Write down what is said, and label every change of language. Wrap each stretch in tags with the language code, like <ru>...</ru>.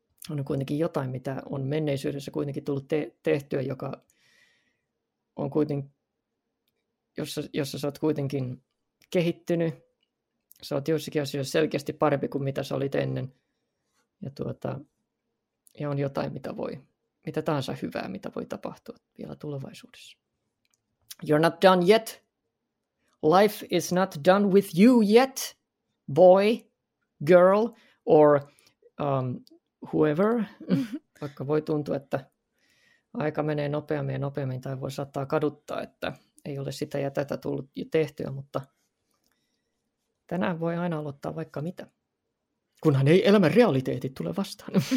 <fi>On kuitenkin jotain, mitä on menneisyydessä kuitenkin tullut tehtyä, joka on kuitenkin, jossa sä oot kuitenkin kehittynyt. Sä oot joissakin asioissa selkeästi parempi kuin mitä sä olit ennen. Ja on jotain, mitä tahansa hyvää, mitä voi tapahtua vielä tulevaisuudessa.</fi> <en>You're not done yet. Life is not done with you yet, boy, girl, or whoever.</en> <fi>Vaikka voi tuntua, että aika menee nopeammin ja nopeammin, tai voi saattaa kaduttaa, että ei ole sitä ja tätä tullut jo tehtyä, mutta tänään voi aina aloittaa vaikka mitä, kunhan ei elämän realiteetit tule vastaan.</fi>